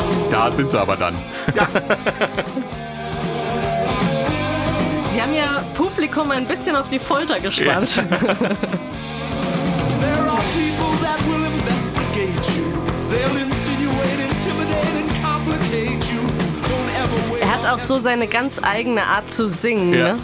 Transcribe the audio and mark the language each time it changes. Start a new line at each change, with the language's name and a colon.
German: Da sind sie aber dann. Ja. Sie haben ja Publikum ein bisschen auf die Folter gespannt. Ja.
English: There are people that will investigate you. They'll insinuate, intimidate and complicate you.
German: Hat auch so seine ganz eigene Art zu singen, ja, ne?